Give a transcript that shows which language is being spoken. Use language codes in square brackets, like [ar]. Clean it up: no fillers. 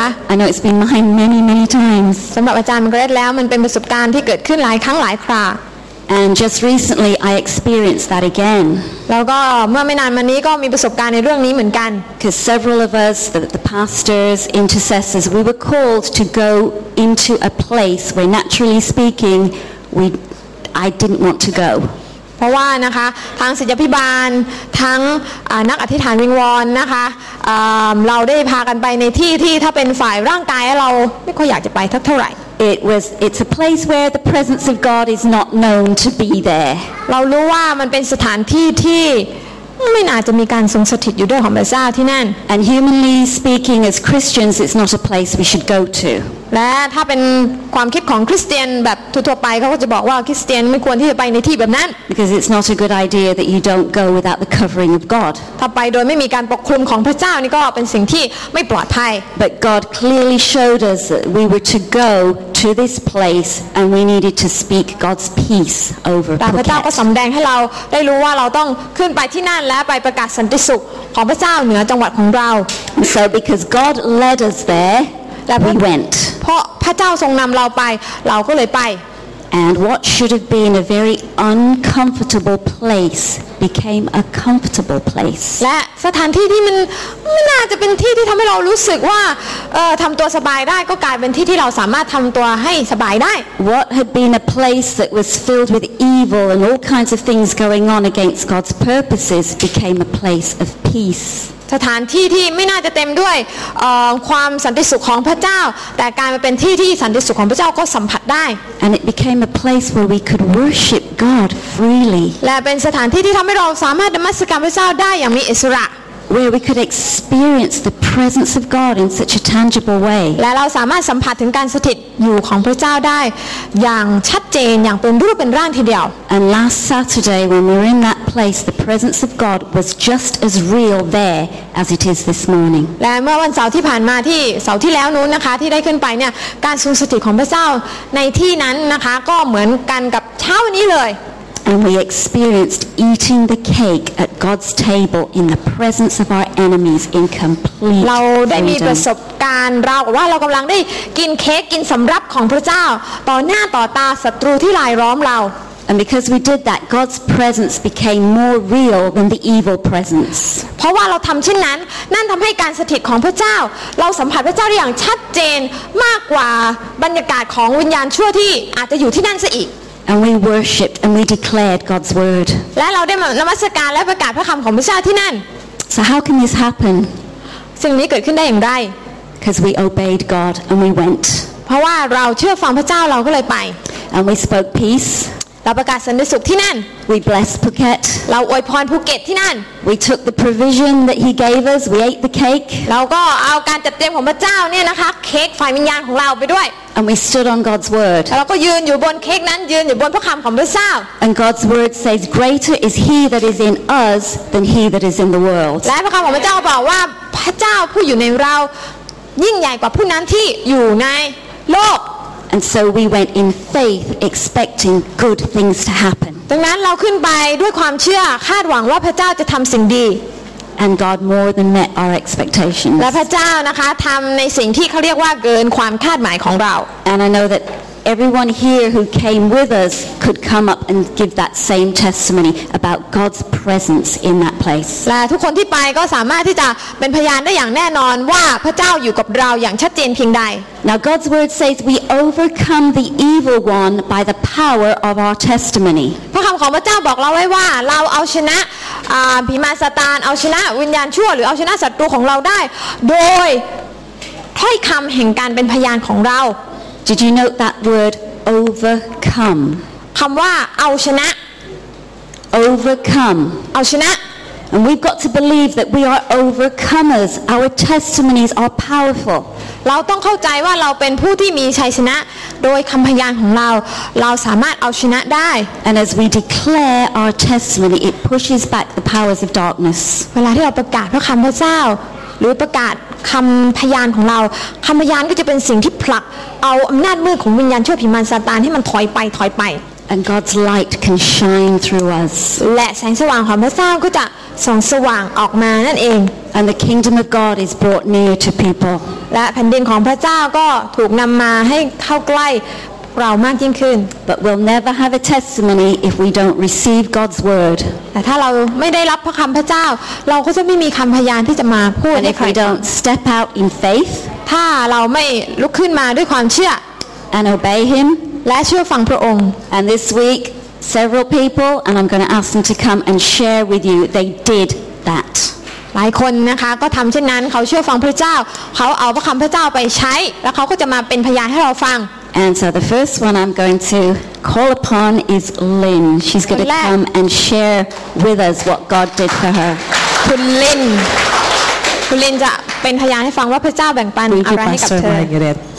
[en] I know it's been mine many, many times. [th] สำหรับอาจารย์มันก็ได้แล้วมันเป็นประสบการณ์ที่เกิดขึ้นหลายครั้งหลายครา [en] And just recently, I experienced that again. [th] แล้วก็เมื่อไม่นานมานี้ก็มีประสบการณ์ในเรื่องนี้เหมือนกัน [en] Because several of us, the pastors, intercessors, we were called to go into a place where, naturally speaking, I didn't want to go. [th] เพราะว่านะคะทางศิษยาภิบาลทั้งนักอธิษฐานวิงวอนนะคะเราได้พากันไปในที่ที่ถ้าเป็นฝ่ายร่างกายเราไม่ค่อยอยากจะไปเท่าไหร่ [en] It's a place where the presence of God is not known to be there [th] เรารู้ว่ามันเป็นสถานที่ที่ไม่น่าจะมีการทรงสถิตอยู่ด้วยของพระเจ้าที่นั่น [en] And humanly speaking as Christians it's not a place we should go to [th] และถ้าเป็นความคิดของคริสเตียนแบบทั่วไปเขาก็จะบอกว่าคริสเตียนไม่ควรที่จะไปในที่แบบนั้น [en] Because it's not a good idea that you don't go without the covering of God [th] ถ้าไปโดยไม่มีการปกคลุมของพระเจ้านี่ก็เป็นสิ่งที่ไม่ปลอดภัย [en] But God clearly showed us that we were to go to this place and we needed to speak God's peace over [th] พระเจ้าก็สำแดงให้เราได้รู้ว่าเราต้องขึ้นไปที่นั่นและไปประกาศสันติสุขของพระเจ้าเหนือจังหวัดของเรา [en] So because God led us thereWe went. [th] เพราะพระเจ้าทรงนำเราไปเราก็เลยไป [en] And what should have been a very uncomfortable place became a comfortable place. [th] และสถานที่ที่มันไม่น่าจะเป็นที่ที่ทำให้เรารู้สึกว่าทำตัวสบายได้ก็กลายเป็นที่ที่เราสามารถทำตัวให้สบายได้ [en] What had been a place that was filled with evil and all kinds of things going on against God's purposes became a place of peace. [th] สถานที่ที่ไม่น่าจะเต็มด้วยความสันติสุขของพระเจ้าแต่กลายมาเป็นที่ที่สันติสุขของพระเจ้าก็สัมผัสได้ [en] And it became a place where we could worship God freely [th] และเป็นสถานที่ที่ทำให้เราสามารถนมัสการพระเจ้าได้อย่างมีอิสระ [en] Where we could experience the presence of God in such a tangible way [th] และเราสามารถสัมผัสถึงการสถิตอยู่ของพระเจ้าได้อย่างชัดเจนอย่างเป็นรูปเป็นร่างทีเดียว [en] And last Saturday when we were in thatplace the presence of God was just as real there as it is this morning [th] และเมื่อวันเสาร์ที่ผ่านมาที่เสาร์ที่แล้วนู้นนะคะที่ได้ขึ้นไปเนี่ยการทรงสถิตของพระเจ้าในที่นั้นนะคะก็เหมือนกันกับเช้าวันนี้เลย [en] And we experienced eating the cake at God's table in the presence of our enemies in complete [th] เราได้มีประสบการณ์ราวกับว่าเรากำลังได้กินเค้กกินสำรับของพระเจ้าต่อหน้าต่อตาศัตรูที่รายล้อมเรา [en] And because we did that, God's presence became more real than the evil presence. [th] เพราะว่าเราทำเช่นนั้นนั่นทำให้การสถิตของพระเจ้าเราสัมผัสพระเจ้าได้อย่างชัดเจนมากกว่าบรรยากาศของวิญญาณชั่วที่อาจจะอยู่ที่นั่นซะอีก [en] And we worshipped and we declared God's word. [th] และเราได้นมัสการและประกาศพระคำของพระเจ้าที่นั่น [en] So how can this happen? [th] สิ่งนี้เกิดขึ้นได้อย่างไร [en] Because we obeyed God and we went. [th] เพราะว่าเราเชื่อฟังพระเจ้าเราก็เลยไป [en] And we spoke peace. [th] เราประกาศสันติสุขที่นั่น [en] We blessed Phuket [th] เราอวยพรภูเก็ตที่นั่น [en] We took the provision that he gave us we ate the cake [th] เราก็เอาการจัดเตรียมของพระเจ้าเนี่ยนะคะเค้กฝ่ายวิญญาณของเราไปด้วย [en] And we stood on God's word [th] เราก็ยืนอยู่บนเค้กนั้นยืนอยู่บนพระคำของพระเจ้า [en] And God's word says greater is he that is in us than he that is in the world [th] และพระคำของพระเจ้าบอกว่าพระเจ้าผู้อยู่ในเรายิ่งใหญ่กว่าผู้นั้นที่อยู่ในโลก [en] And so we went in faith, expecting good things to happen. [th] ดังนั้นเราขึ้นไปด้วยความเชื่อคาดหวังว่าพระเจ้าจะทำสิ่งดี [en] And God more than met our expectations. [th] และพระเจ้านะคะทำในสิ่งที่เขาเรียกว่าเกินความคาดหมายของเรา [en] And I know that everyone here who came with us could come up and give that same testimony about God's presence in that place. [th] และทุกคนที่ไปก็สามารถที่จะเป็นพยานได้อย่างแน่นอนว่าพระเจ้าอยู่กับเราอย่างชัดเจนเพียงใด [en] Now God's word says we overcome the evil one by the power of our testimony. [th] พระคำของพระเจ้าบอกเราไว้ว่าเราเอาชนะผีมารซาตานเอาชนะวิญญาณชั่วหรือเอาชนะศัตรูของเราได้โดยถ้อยคำแห่งการเป็นพยานของเรา [en] Did you note that word overcome? [th] คำว่าเอาชนะ [en] overcome [th] เอาชนะ [en] And we've got to believe that we are overcomers. Our testimonies are powerful. [th] เราต้องเข้าใจว่าเราเป็นผู้ที่มีชัยชนะโดยคำพยานของเราเราสามารถเอาชนะได้ [en] And as we declare our testimony, it pushes back the powers of darkness. [th] เวลาที่เราประกาศพระคำพระเจ้าหรือประกาศคำพยานของเราคำพยานก็จะเป็นสิ่งที่ผลักเอาอำนาจมืดของวิญญาณชั่วผีมารซาตานให้มันถอยไป [en] And God's light can shine through us. [th] และแสงสว่างของพระเจ้าก็จะส่องสว่างออกมานั่นเอง [en] And the kingdom of God is brought near to people. [th] และแผ่นดินของพระเจ้าก็ถูกนำมาให้เข้าใกล้เรามากยิ่งขึ้น [en] But we'll never have a testimony if we don't receive God's word. [th] แต่ถ้าเราไม่ได้รับพระคำพระเจ้าเราก็จะไม่มีคำพยานที่จะมาพูด ให้ใคร [en] And if we don't step out in faith, [th] ถ้าเราไม่ลุกขึ้นมาด้วยความเชื่อ [en] and obey Him. [th] และเชื่อฟังพระองค์ [en] And this week several people and I'm going to ask them to come and share with you they did that [th] หลายคนนะคะก็ทําเช่นนั้นเขาเชื่อฟังพระเจ้าเขาเอาพระคําพระเจ้าไปใช้แล้วเขาก็จะมาเป็นพยานให้เราฟัง [en] And so the first one I'm going to call upon is Lynn she's going to come and share with us what God did for her [th] คุณลินคุณลินจะเป็นพยานให้ฟังว่าพระเจ้าแบ่งปันอะไรให้กับเธอ